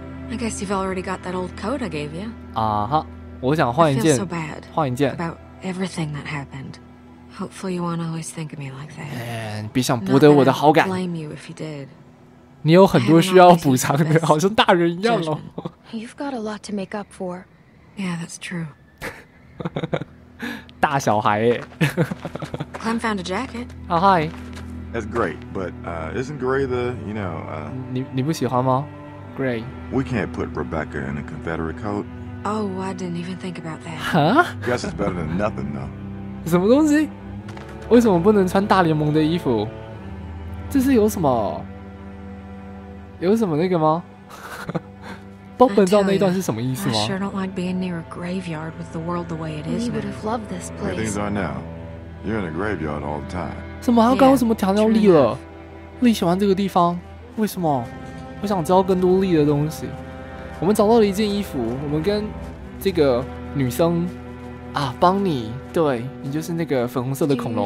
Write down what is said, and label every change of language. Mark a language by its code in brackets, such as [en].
[en] I guess you've already got that old coat I gave you. [zh] 啊哈，我想换一件。 [en] I feel so bad. [zh] 换一件。 [en] About everything that happened. Hopefully you won't always think of me like that. [zh] And 别想博得我的好感。 [en] Not that I blame you if you did. [zh] 你有很多需要补偿的，好像大人一样哦。 [en] You've got a lot to make up for. Yeah, that's true. [zh] 大小孩耶。 [en] Clem found a jacket. Oh, hi. That's great, but isn't gray the, you know, [zh] 你不喜欢吗 ?Gray. [en] We can't put Rebecca in a Confederate coat. Oh, I didn't even think about that. Huh? Guess it's better than nothing, though. [zh] 什么东西？为什么不能穿大联盟的衣服？这是有什么那个吗？包本照那一段是什么意思吗 [en] ？I sure don't like being near a graveyard with the world the way it is. We would have loved this place. Things are now. You're in a graveyard all the time. [zh] 什么？他刚刚什么强调力了？力喜欢这个地方？为什么？我想知道更多力的东西。我们找到了一件衣服。我们跟这个女生啊，邦尼，对你就是那个粉红色的恐龙。